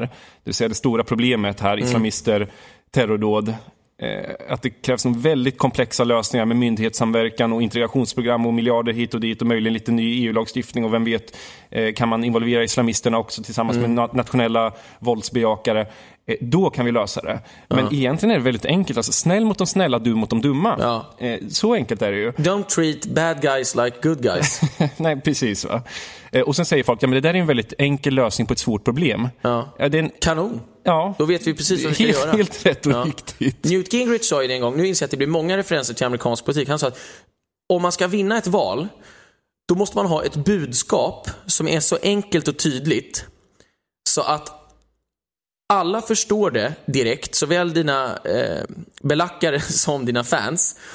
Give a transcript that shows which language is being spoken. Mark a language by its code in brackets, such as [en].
[sv] Det vill säga det stora problemet här, islamister, terrordåd, att det krävs en väldigt komplexa lösningar med myndighetssamverkan och integrationsprogram och miljarder hit och dit och möjligen lite ny EU-lagstiftning och vem vet, kan man involvera islamisterna också tillsammans med nationella våldsbejakare, då kan vi lösa det. Men egentligen är det väldigt enkelt, alltså, snäll mot de snälla, dum mot de dumma. Ja. Så enkelt är det ju. [en] Don't treat bad guys like good guys. [sv] Nej, precis va. Och sen säger folk, ja men det där är en väldigt enkel lösning på ett svårt problem. Ja. Kanon. Ja. Då vet vi precis vad vi ska göra. Helt rätt och riktigt. Newt Gingrich sa ju det en gång, nu inser jag att det blir många referenser till amerikansk politik. Han sa att om man ska vinna ett val, då måste man ha ett budskap som är så enkelt och tydligt så att alla förstår det direkt, såväl dina belackare som dina fans.